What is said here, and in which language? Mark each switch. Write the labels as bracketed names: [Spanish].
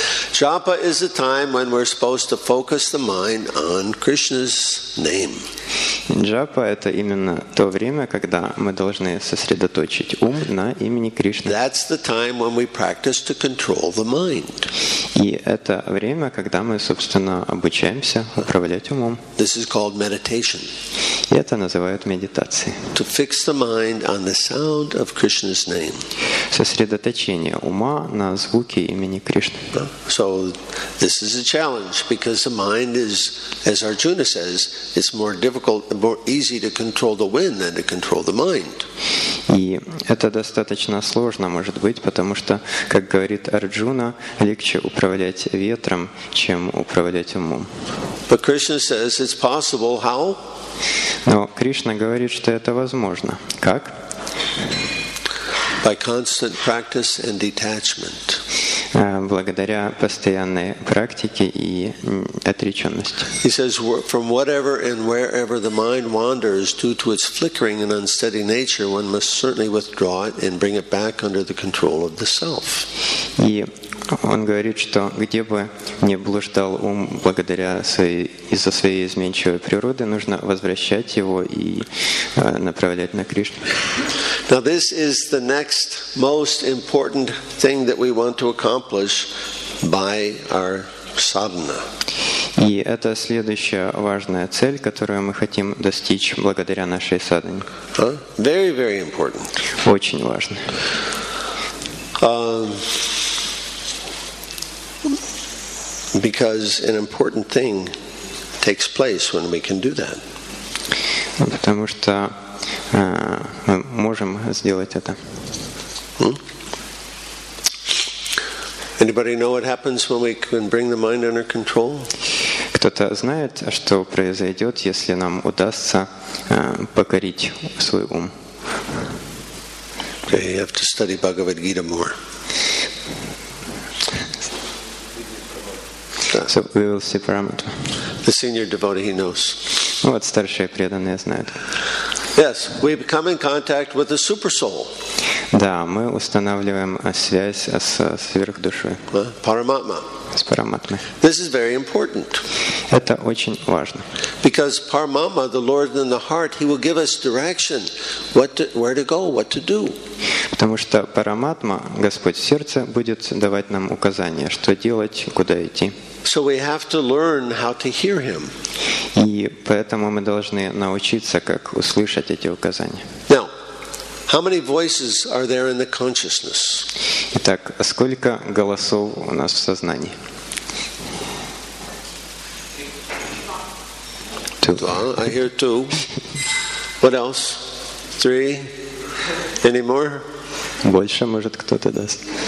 [English] Japa is the time when we're supposed to focus the mind on Krishna's name. [Russian] Джапа — это именно то время, когда мы должны сосредоточить ум на имени Кришны. [English] That's the time when we practice to control the mind. [Russian] И это время, когда мы, собственно, обучаемся управлять умом. [English] This is called meditation. [Russian] И это называют медитацией. [English] To fix the mind on the sound of Krishna's name. [Russian] Сосредоточение ума на звуке имени Кришны. [English] So this is a challenge because the mind is, as Arjuna says, it's more difficult, more easy to control the wind than to control the mind. [Russian] И это достаточно сложно может быть, потому что, как говорит Арджуна, легче управлять ветром, чем управлять умом. [English] But Krishna says it's possible. How? [Russian] Но Кришна говорит, что это возможно. Как? [English] By constant practice and detachment. [Russian] Благодаря постоянной практике и отреченности. [English] He says, from whatever and wherever the mind wanders, due to its flickering and unsteady nature, one must certainly withdraw it and bring it back under the control of the self. [Russian] И он говорит, что где бы ни блуждал ум благодаря своей из-за своей изменчивой природы, нужно возвращать его и направлять на Кришну. [English] Now this is the next most important thing that we want to accomplish by our sadhana. [Russian] И это следующая важная цель, которую мы хотим достичь благодаря нашей садхане. [English] Very, very important. [Russian] Очень важно. [English] Because an important thing takes place when we can do that. [Russian] Потому что мы можем сделать это. [English] Anybody know what happens when we can bring the mind under control? [Russian] Кто-то знает, что произойдет, если нам удастся покорить свой ум? [English] Okay, you have to study Bhagavad Gita more. So we will see parameter. The senior devotee, he knows. [Russian] Вот старшие преданные знают. [English] Yes, we become in contact with the super soul. [Russian] Да, мы устанавливаем связь с сверхдушой. Параматма. С параматмой. [English] This is very important. [Russian] Это очень важно. [English] Because Paramatma, the Lord in the heart, he will give us direction, where to go, what to do. [Russian] Потому что параматма, Господь в сердце, будет давать нам указания, что делать, куда идти. [English] So we have to learn how to hear him. [Russian] И поэтому мы должны научиться, как услышать эти указания. [English] Now, how many voices are there in the consciousness? [Russian] Итак, сколько голосов у нас в сознании? [English] Two. I hear two. What else? Three? Any more? [Russian] Больше, может, кто-то даст.